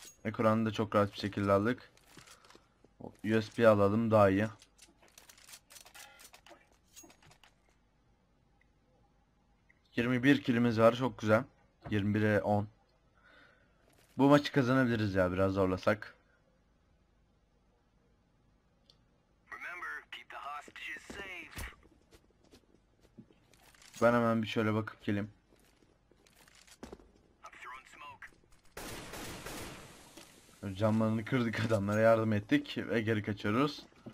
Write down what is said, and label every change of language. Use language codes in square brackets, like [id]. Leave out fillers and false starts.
[tr] Ekranı da çok rahat bir şekilde aldık. USB alalım daha iyi. ...21 kill'imiz var çok güzel. 21'e 10. Bu maçı kazanabiliriz ya biraz zorlasak. [en] Remember, keep the hostages safe. [tr] Ben hemen bir şöyle bakıp geleyim. [en] I'm throwing smoke. [tr] Camlarını kırdık adamlara yardım ettik ve geri kaçıyoruz.